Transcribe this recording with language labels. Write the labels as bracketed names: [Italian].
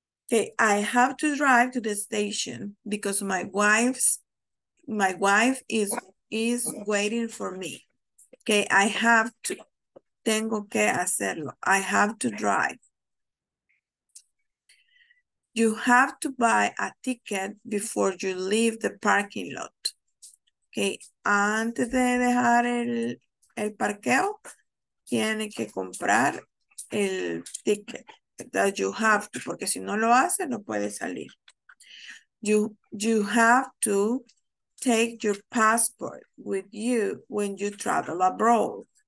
[English] Okay, I have to drive to the station because my wife is waiting for me. Okay, I have to. [Spanish] Tengo que hacerlo. [English] I have to drive. You have to buy a ticket before you leave the parking lot. [Spanish] Okay, antes de dejar el parqueo, tiene que comprar el ticket. [English] That you have to, [Spanish] porque si no lo hace, no puede salir. [English] You have to take your passport with you when you travel abroad.